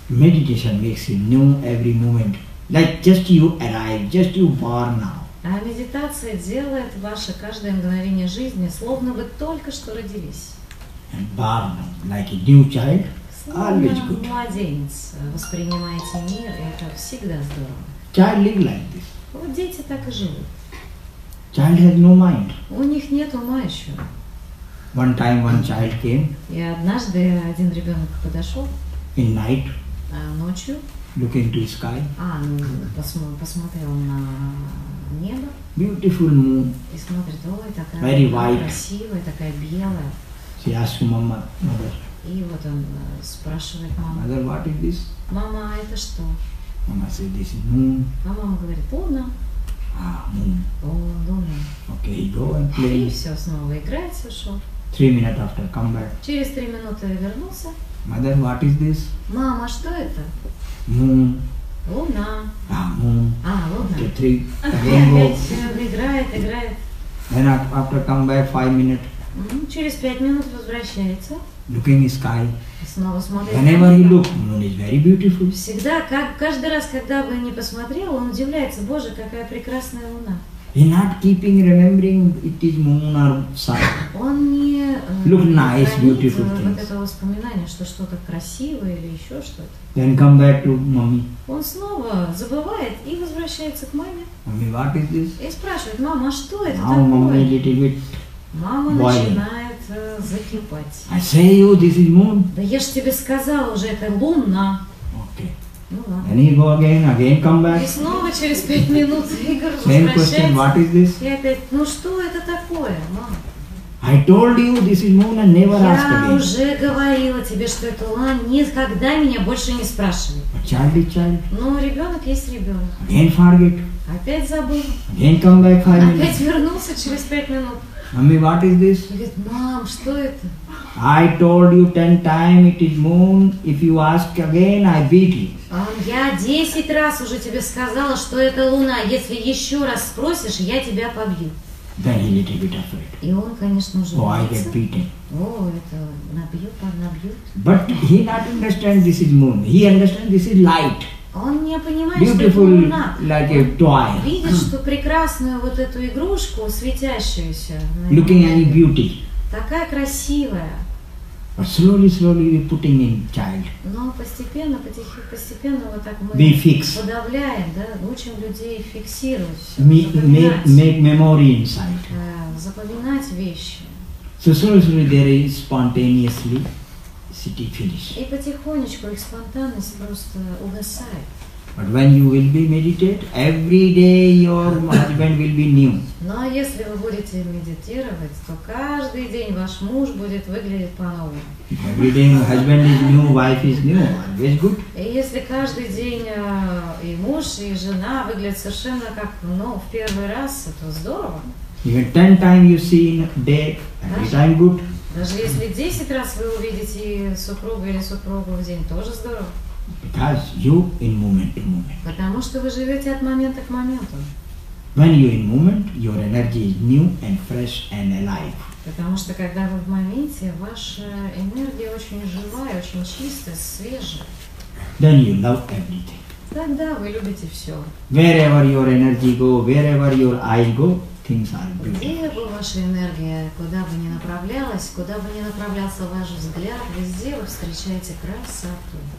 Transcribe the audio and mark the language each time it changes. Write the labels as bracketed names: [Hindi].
[English] Meditation makes you new every moment. Like just you arrive, just you born now. [Russian] А медитация делает ваше каждое мгновение жизни, словно вы только что родились. [English] Born like a new child. [Russian] Словно младенец воспринимаете мир, и это всегда здорово. [English] Child live like this. [Russian] Вот дети так и живут. [English] Child has no mind. [Russian] У них нет ума еще. [English] One time one child came. [Russian] И однажды один ребенок подошел. [English] In night. [Russian] Ночью. [English] Looking to the sky. [Russian] Посмотрел на небо. [English] Beautiful moon. [Russian] И смотрит, ой, такая [English] Very white. [Russian] Красивая, такая белая. [English] She asked her mama, mother. [Russian] И вот он спрашивает маму. [English] Mother, what is this? [Russian] Мама, а это что? [English] Mama said, this is moon. [Russian] А мама говорит, луна. Луна. [English] Okay, go and play. [Russian] И все, снова играет, сошел. [English] 3 minutes after, come back. [Russian] Через 3 минуты вернулся. [English] Mother, what is this? [Russian] Мама, что это? [English] Moon. [Russian] Луна. [English] Moon. [Russian] Луна. [English] Okay, three. [Russian] Опять играет. [English] Then after come back 5 minutes. [Russian] Через 5 минут возвращается. [English] Looking the sky. [Russian] Снова смотрит. [English] Whenever he look, moon is very beautiful. [Russian] Всегда, как каждый раз, когда бы не посмотрел, он удивляется, Боже, какая прекрасная луна. [English] He not keeping remembering it is moon or sun. [Russian] Он не [English] look nice, beautiful things. [Russian] Вот это воспоминание, что что-то красивое или еще что-то. [English] Then come back to mommy. [Russian] Он снова забывает и возвращается к маме. [English] Mommy, what is this? [Russian] И спрашивает, мама, что это [English] Now [Russian] такое? [English] Mommy little bit [Russian] мама [English] boiling. [Russian] Начинает закипать. [English] I say you, this is moon. [Russian] Да я ж тебе сказал уже, это луна. [English] Okay. [Russian] Ну, [English] then he go again come back. [Russian] И снова через 5 минут Игорь [English] Same question, what is this? [Russian] И опять, ну что это такое, мама? [English] I told you this is moon and never [Russian] я [English] ask again. [Russian] Я уже говорила тебе, что это луна, никогда меня больше не спрашивай. [English] But child is child. [Russian] Ну, ребенок есть ребенок. [English] Again forget. [Russian] Опять забыл. [English] Again come back 5 minutes. [Russian] Опять вернулся через 5 минут. [English] Mommy, what is this? [Russian] И говорит, мам, что это? [English] I told you 10 times it is moon. If you ask again, I beat you. [Russian] Я 10 раз уже тебе сказала, что это луна. Если еще раз спросишь, я тебя побью. [English] Then he little bit afraid. [Russian] И он, конечно, уже боится. [English] Oh, I get beaten. [Russian] Это набьют. [English] But he not understand this is moon. He understand this is light. [Russian] Он не понимает, [English] Beautiful, [Russian] что это луна. [English] Like a toy. [Russian] Видит, что прекрасную вот эту игрушку, светящуюся. [English] Looking at his beauty. [Russian] Такая красивая. [English] But slowly, slowly we putting in child. [Russian] Но постепенно, постепенно вот так мы [English] Be fixed. [Russian] Подавляем, да, учим людей фиксировать все, [English] make memory inside. [Russian] Запоминать вещи. [English] So slowly, slowly there is spontaneously city finish. [Russian] И потихонечку их спонтанность просто угасает. [English] But when you will be meditate, every day your husband will be new. [Russian] Но если вы будете медитировать, то каждый день ваш муж будет выглядеть по-новому. [English] Every day husband is new, wife is new. Always good. [Russian] И если каждый день и муж, и жена выглядят совершенно как в первый раз, это здорово. [English] Even 10 times you see in a day, every time good. [Russian] Даже если 10 раз вы увидите супруга или супругу в день, тоже здорово. [English] Because you in moment to moment. [Russian] Потому что вы живете от момента к моменту. [English] When you in moment, your energy is new and fresh and alive. [Russian] Потому что когда вы в моменте, ваша энергия очень живая, очень чистая, свежая. [English] Then you love everything. [Russian] Тогда вы любите все. [English] Wherever your energy go, wherever your eyes go, things are beautiful. [Russian] Где бы ваша энергия, куда бы ни направлялась, куда бы ни направлялся ваш взгляд, везде вы встречаете красоту.